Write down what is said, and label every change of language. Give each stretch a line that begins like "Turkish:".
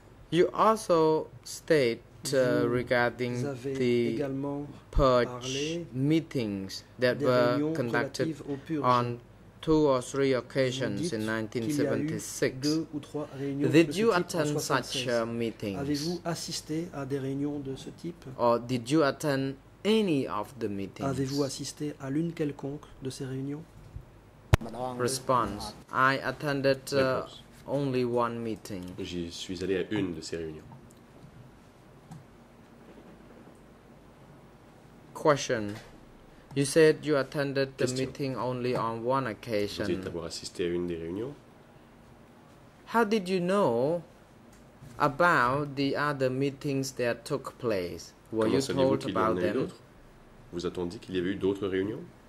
English: You also state regarding the purge meetings that were conducted on 2 or 3 occasions in 1976. Did you attend such meetings?
French: Avez-vous assisté à des réunions de ce type?
English: Or did you attend any of the meetings?
French: Avez-vous assisté à l'une quelconque de ces réunions?
English: Response: I attended only one meeting.
French: J'y suis allé à une de ces réunions.
English: Question: you said you attended the meeting only on one occasion.
French: Vous dites avoir assisté à une des réunions.
English: How did you know about the other meetings that took place? Were you told about them?
French: Vous a-t-on dit qu'il y avait eu d'autres réunions?